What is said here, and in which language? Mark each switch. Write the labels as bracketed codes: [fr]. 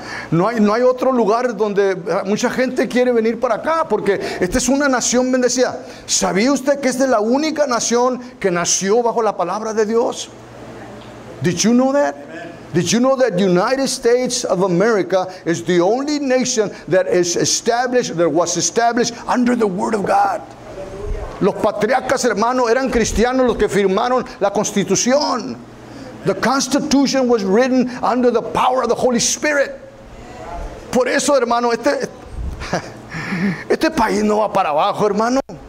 [es] No hay otro lugar donde mucha gente quiere venir para acá, porque esta es una nación bendecida. ¿Sabía usted que esta es la única nación que nació bajo la palabra de Dios? [en] Did you know that? Did you know that the United States of America is the only nation that is established, that was established under the word of God? [es] Los patriarcas, hermano, eran cristianos los que firmaron la Constitución. [en] The Constitution was written under the power of the Holy Spirit. [es] Por eso, hermano, este país no va para abajo, hermano.